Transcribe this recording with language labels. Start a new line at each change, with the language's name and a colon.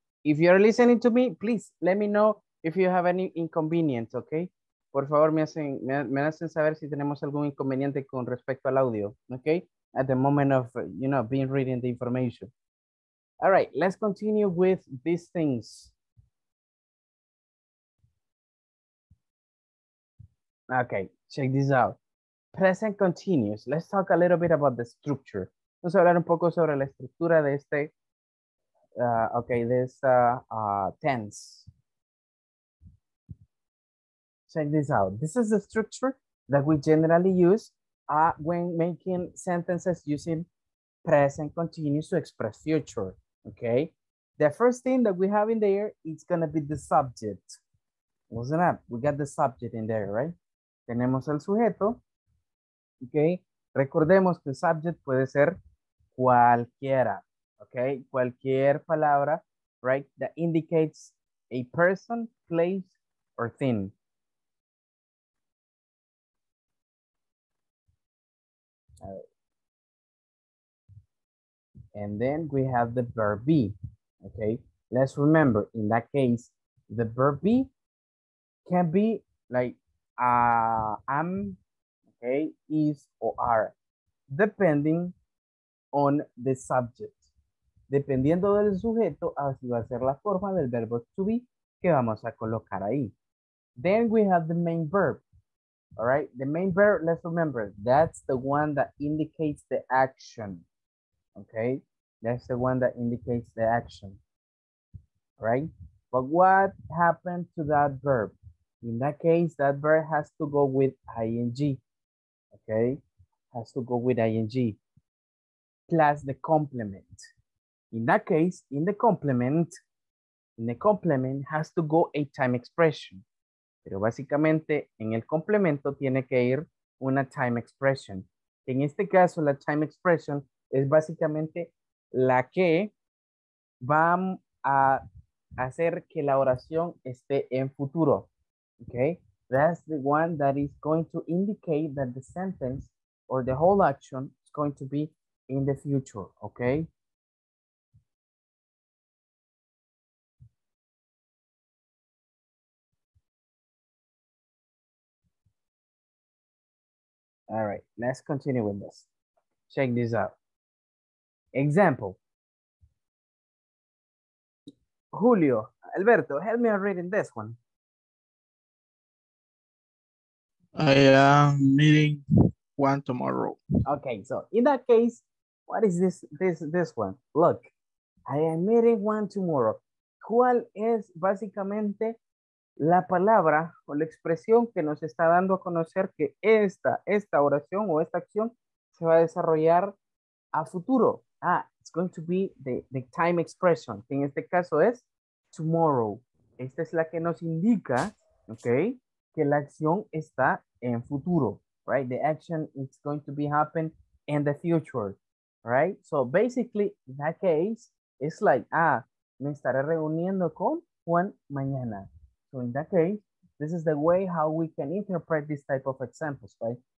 English: If you're listening to me, please let me know if you have any inconvenience, okay?
Spanish: Por favor, me hacen saber si tenemos algún inconveniente con respecto al audio, okay?
English: At the moment of, you know, being reading the information. All right, let's continue with these things. Okay, check this out. Present continuous. Let's talk a little bit about the structure.
Spanish: Vamos a hablar un poco sobre la estructura de este, tense.
English: Check this out. This is the structure that we generally use when making sentences using present continuous to express future, okay? The first thing that we have in there is gonna be the subject. Wasn't that? We got the subject in there, right?
Spanish: Tenemos el sujeto, okay? Recordemos que el subject puede ser cualquiera, okay? Cualquier palabra,
English: right? That indicates a person, place, or thing. All right. And then we have the verb be, okay? Let's remember, in that case, the verb be can be like, am, okay, is, or are, depending on the subject.
Spanish: Dependiendo del sujeto, así va a ser la forma del verbo to be que vamos a colocar ahí.
English: Then we have the main verb, all right? The main verb, let's remember, that's the one that indicates the action, okay? That's the one that indicates the action, right? But what happened to that verb? In that case, that verb has to go with ing, okay? Has to go with ing, plus the complement. In that case, in the complement has to go a time expression.
Spanish: Pero básicamente, en el complemento tiene que ir una time expression. En este caso, la time expression es básicamente la que va a hacer que la oración esté en futuro.
English: Okay, that's the one that is going to indicate that the sentence or the whole action is going to be in the future, okay? All right, let's continue with this. Check this out. Example. Julio, Alberto, help me on reading this one. I am meeting one tomorrow. Okay, so in that case, what is this one? Look, I am meeting one tomorrow.
Spanish: ¿Cuál es básicamente la palabra o la expresión que nos está dando a conocer que esta oración o esta acción se va a desarrollar a futuro.
English: Ah, it's going to be the time expression,
Spanish: que en este caso es tomorrow. Esta es la que nos indica, ok, que la acción está en futuro, right?
English: The action is going to be happen in the future, right? So basically, in that case, it's like, ah,
Spanish: me estaré reuniendo con Juan mañana.
English: So in that case, this is the way how we can interpret this type of examples, right?